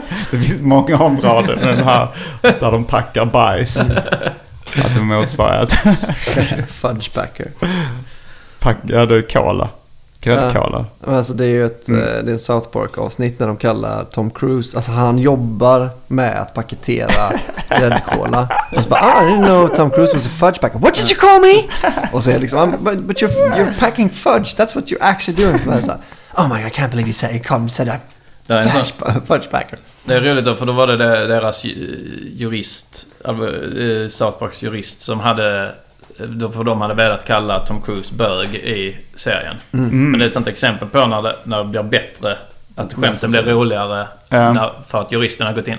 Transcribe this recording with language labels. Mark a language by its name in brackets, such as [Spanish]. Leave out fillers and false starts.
[Swedish] Det finns många områden den här, där de packar bajs. Att de motsvarar. Fudgepacker. Ja, det är kola. Gräddkola. Ja. Alltså, det är ju det är en South Park-avsnitt när de kallar Tom Cruise. Alltså, han jobbar med att paketera gräddkola. Och så bara, [English] I didn't know Tom Cruise was a fudge packer. What did you call me? [Swedish] Och så är liksom, [English] but you're packing fudge. That's what you're actually doing. [Swedish] Så här, [English] oh my god, I can't believe you said, fudge packer. [Swedish] Det är roligt då, för då var det deras jurist, South Parks jurist, som hade... För de hade velat kalla Tom Cruise bög i serien. Mm. Men det är ett sånt exempel på när det blir bättre att skämten blev roligare för att juristerna har gått in.